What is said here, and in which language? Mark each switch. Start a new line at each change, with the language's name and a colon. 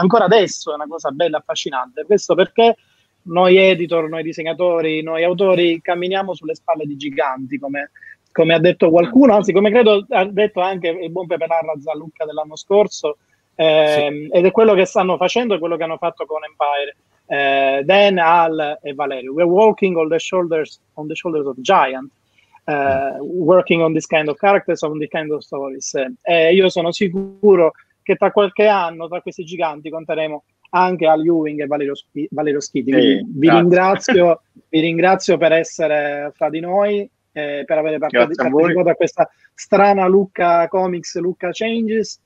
Italian: Ancora adesso è una cosa bella, affascinante. Questo perché noi editor, noi disegnatori, noi autori camminiamo sulle spalle di giganti, come ha detto qualcuno, anzi come credo ha detto anche il buon Pepe Larra Zalucca dell'anno scorso, sì. Ed è quello che stanno facendo, è quello che hanno fatto con Empire.
English: Dan, Al e Valerio, we're walking on the shoulders of giant, working on this kind of characters, on this kind of stories.
Italian: Io sono sicuro che tra qualche anno, tra questi giganti, conteremo anche Al Ewing e Valerio Schiti. Vi ringrazio per essere fra di noi, per aver partecipato a questa strana Lucca Comics, Lucca Changes.